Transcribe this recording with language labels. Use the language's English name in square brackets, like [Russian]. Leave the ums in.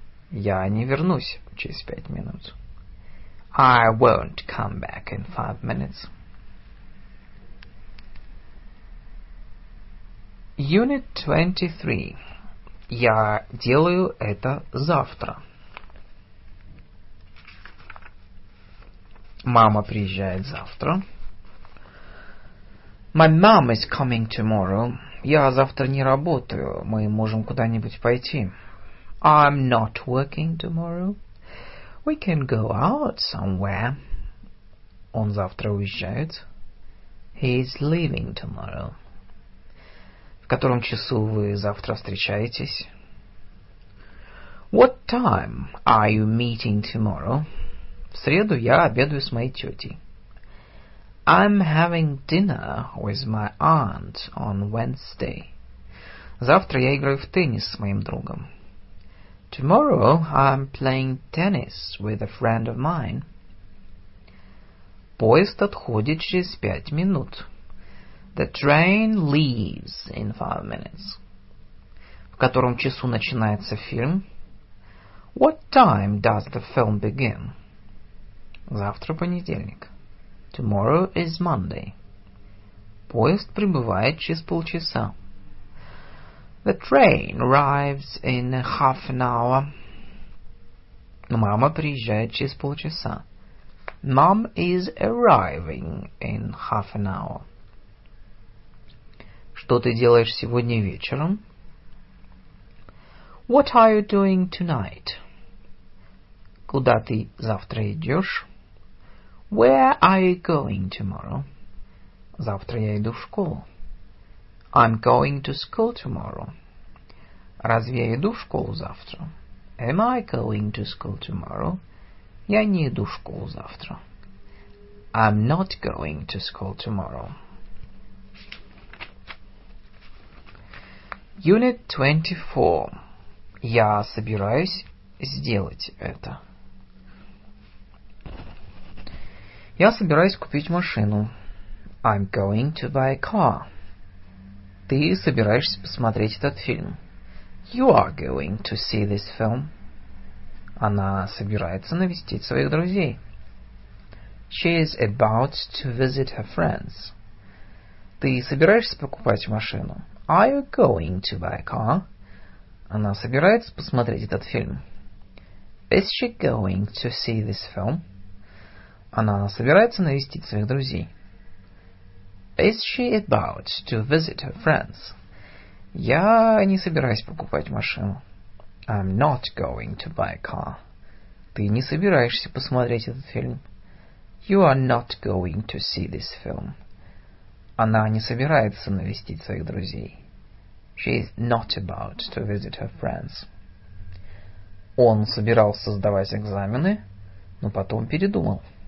[Russian] Я не вернусь через пять минут. [English] I won't come back in five minutes. Unit 23. [Russian] Я делаю это завтра. Мама приезжает завтра. [English] My mom is coming tomorrow. [Russian] Я завтра не работаю. Мы можем куда-нибудь пойти. [English] I'm not working tomorrow. We can go out somewhere. [Russian] Он завтра уезжает. [English] He is leaving tomorrow. [Russian] В котором часу вы завтра встречаетесь? [English] What time are you meeting tomorrow? [Russian] В среду я обедаю с моей тетей. [English] I'm having dinner with my aunt on Wednesday. [Russian] Завтра я играю в теннис с моим другом. [English] Tomorrow I'm playing tennis with a friend of mine. [Russian] Поезд отходит через пять минут. [English] The train leaves in five minutes. [Russian] В котором часу начинается фильм? [English] What time does the film begin? [Russian] Завтра понедельник. [English] Tomorrow is Monday. [Russian] Поезд прибывает через полчаса. [English] The train arrives in half an hour. [Russian] Мама приезжает через полчаса. [English] Mom is arriving in half an hour. [Russian] Что ты делаешь сегодня вечером? [English] What are you doing tonight? [Russian] Куда ты завтра идешь? [English] Where are you going tomorrow? [Russian] Завтра я иду в школу. [English] I'm going to school tomorrow. [Russian] Разве я иду в школу завтра? [English] Am I going to school tomorrow? [Russian] Я не иду в школу завтра. [English] I'm not going to school tomorrow. Unit 24. [Russian] Я собираюсь сделать это. Я собираюсь купить машину. [English] I'm going to buy a car. [Russian] Ты собираешься посмотреть этот фильм. [English] You are going to see this film. [Russian] Она собирается навестить своих друзей. [English] She is about to visit her friends. [Russian] Ты собираешься покупать машину. [English] Are you going to buy a car? [Russian] Она собирается посмотреть этот фильм. [English] Is she going to see this film? [Russian] Она собирается навестить своих друзей. [English] Is she about to visit her friends? [Russian] Я не собираюсь покупать машину. [English] I'm not going to buy a car. [Russian] Ты не собираешься посмотреть этот фильм. [English] You are not going to see this film. [Russian] Она не собирается навестить своих друзей. [English] She is not about to visit her friends. [Russian] Он собирался сдавать экзамены, но потом передумал.